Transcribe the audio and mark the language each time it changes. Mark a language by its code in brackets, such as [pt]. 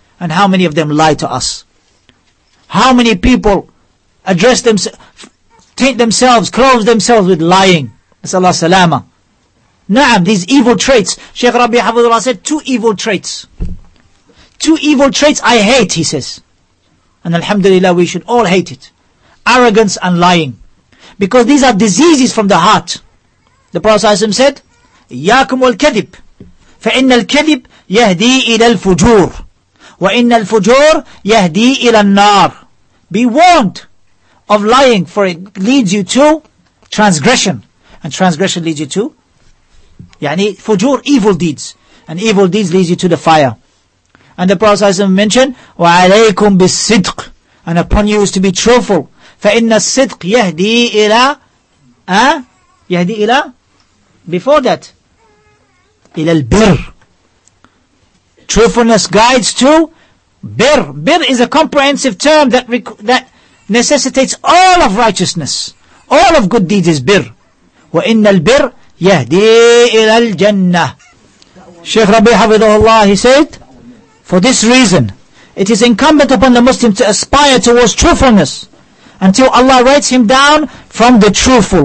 [en] And how many of them lie to us? How many people address themselves, taint themselves, clothe themselves with lying? Sallallahu alayhi wa sallama. Naam, these evil traits. Sheikh Rabbi Hafidhullah said, two evil traits I hate, he says. And alhamdulillah, we should all hate it. Arrogance and lying. Because these are diseases from the heart. The Prophet ﷺ said, [ar] إِيَّاكُمْ وَالْكَذِبِ فَإِنَّ الْكَذِبِ يَهْدِي إِلَى الْفُجُورِ وَإِنَّ الْفُجُورِ يَهْدِي إِلَى النَّارِ. [en] Be warned of lying, for it leads you to transgression. And transgression leads you to [ar] يعني فجور, [en] evil deeds. And evil deeds leads you to the fire. And the Prophet ﷺ mentioned, [ar] وَعَلَيْكُمْ بِالصِّدْقِ, [en] and upon you is to be truthful. [ar] فَإِنَّ الصِّدْقِ يَهْدِي إِلَى يَهْدِي إِلَى, [en] before that, [ar] إِلَى الْبِرِّ. [en] Truthfulness guides to birr. Birr is a comprehensive term that necessitates all of righteousness, all of good deeds is birr. [ar] وَإِنَّ الْبِرَّ يَهْدِي إِلَى الْجَنَّةِ [en] Shaykh Rabi Hafidhullah, he said, for this reason, it is incumbent upon the Muslim to aspire towards truthfulness until Allah writes him down from the truthful.